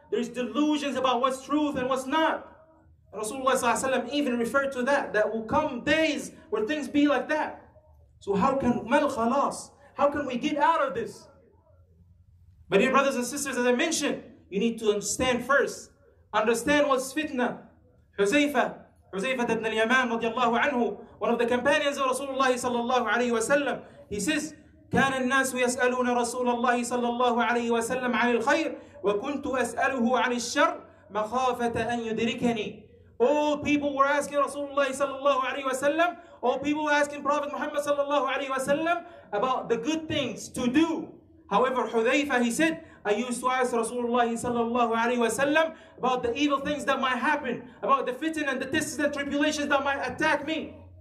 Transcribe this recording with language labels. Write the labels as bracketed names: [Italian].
[English] There's delusions about what's truth and what's not. Rasulullah ﷺ even referred to that. That will come days where things be like that. So how can mal khalas? How can we get out of this? My dear brothers and sisters, as I mentioned, you need to understand first. Understand what's fitna. Huzayfa ibn al-Yaman radiallahu anhu, one of the companions of Rasulullah sallallahu alayhi wa sallam, he says, [Arabic] كَانَ النَّاسُ يَسْأَلُونَ رَسُولَ اللَّهِ صَلَّى اللَّهُ عَلَيْهِ وَسَلَّمْ عَنِ الْخَيْرِ وَكُنْتُ أَسْأَلُهُ عَنِ الشَّرِّ مَخَافَةَ أَنْ يُدْرِكَنِي. [English] All people were asking Rasulullah sallallahu alayhi wa sallam, all people were asking Prophet Muhammad sallallahu alayhi wa sallam about the good things to do. However, Hudhayfa, he said, I used to ask Rasulullah sallallahu alayhi wa sallam about the evil things that might happen, about the fitna and the tests and tribulations that might attack me.